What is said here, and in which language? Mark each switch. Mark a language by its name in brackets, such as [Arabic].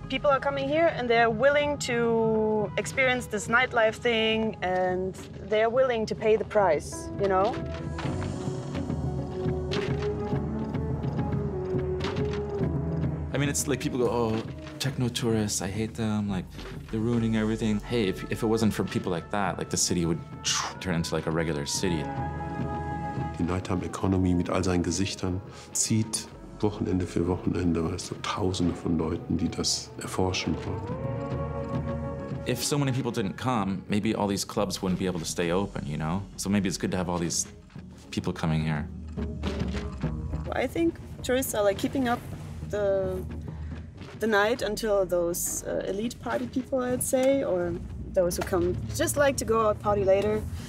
[English] People are coming here and they're willing to experience this nightlife thing and they're willing to pay the price, you know? I mean, it's like people go, oh, techno tourists, I hate them, like, they're ruining everything. Hey, if it wasn't for people like that, like, the city would turn into, like, a regular city. [German] Die nighttime economy mit all seinen Gesichtern zieht Wochenende für Wochenende, weißt du, Tausende von Leuten, die das erforschen wollen. [English] If so many people didn't come, maybe all these clubs wouldn't be able to stay open, you know? So maybe it's good to have all these people coming here. I think tourists are, like, keeping up the night until those elite party people, I'd say, or those who come just like to go out party later.